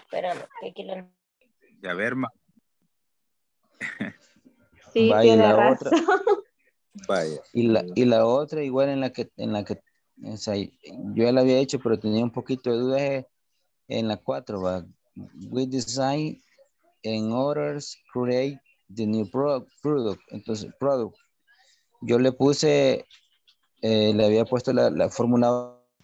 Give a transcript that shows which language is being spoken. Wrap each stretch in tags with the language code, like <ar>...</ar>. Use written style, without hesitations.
<es>Espérame, que aquí la... A ver, ma... Sí, vaya, tiene la razón. Otra... Vaya. Y la otra, igual en la que o sea, yo ya la había hecho, pero tenía un poquito de dudas en la 4, va.</es> <en>We design in order to create the new product.</en> <es>Entonces, product. Yo le puse, le había puesto la fórmula.</es>